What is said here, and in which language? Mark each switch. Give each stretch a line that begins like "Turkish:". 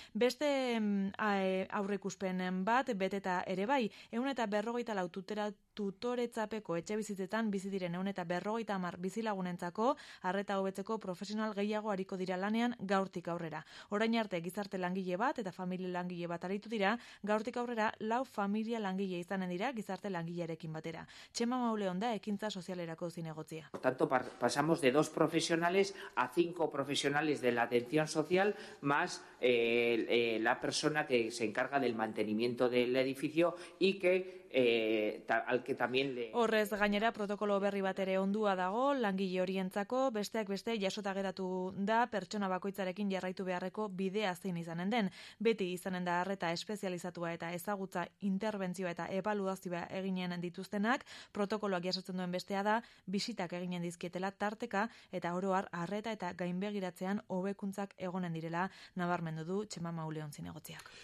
Basque: Beste aurreikuspenen bat beteta ere bai, 144 tutera tutoretzapeko etxe bizitzetan bizi diren 150 bizilagunentzako harreta hobetzeko profesional gehiago ariko dira lanean gaurtik aurrera. Orain arte gizarte langile bat eta familia langile bat aritu dira, gaurtik aurrera lau familia langile izanen dira gizarte langilearekin batera. Txema Mauleon da ekintza sozialerako zinegotzia.
Spanish: Por tanto, pasamos de 2 profesionales a 5 profesionales de la atención social más la persona que se encarga del mantenimiento del edificio y que al que también le...
Basque: Horrez gainera protokolo berri bat ere ondua dago, langile horientzako, besteak beste jasota geratu da pertsona bakoitzarekin jarraitu beharreko bidea zein izanen den. Beti izanen da arreta espezializatua eta ezagutza interbentzioa eta evaluazioa eginen dituztenak, protokoloak jasotzen duen bestea da, bisitak eginen dizkietela tarteka eta oroar arreta eta gainbegiratzean hobekuntzak egonen direla, nabarmendu du Txema Mauleon zinegotziak.